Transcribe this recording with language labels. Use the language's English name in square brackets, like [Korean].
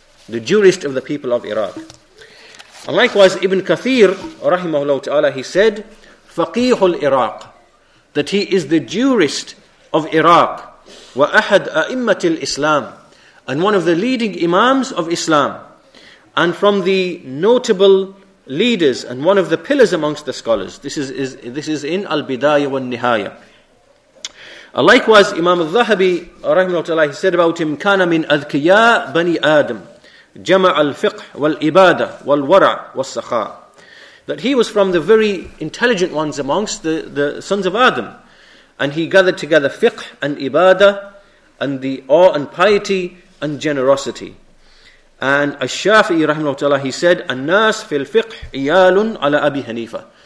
[English] The jurist of the people of Iraq. And likewise, Ibn Kathir, rahimahullah ta'ala, he said, faqihul al-Iraq. That he is the jurist of Iraq. [Arabic] وَأَحَدْ أَئِمَّةِ الْإِسْلَامِ, [English] and one of the leading imams of Islam, and from the notable leaders, and one of the pillars amongst the scholars. This is in Al-Bidayah wal-Nihaya. Likewise, Imam al-Dhahabi, [Arabic] رحمه الله, [English] he said about him, [Arabic] كَانَ مِنْ أَذْكِيَا بَنِي آدَمْ جَمَعَ الْفِقْحِ وَالْإِبَادَ وَالْوَرَعْ وَالسَّخَاء. [English] That he was from the very intelligent ones amongst the sons of Adam. And he gathered together fiqh and ibadah and the awe and piety and generosity. And Ash-Shafi'i rahimahullah ta'ala, he said, [Arabic] An-nas fil fiqh iyalun ala Abi Hanifa.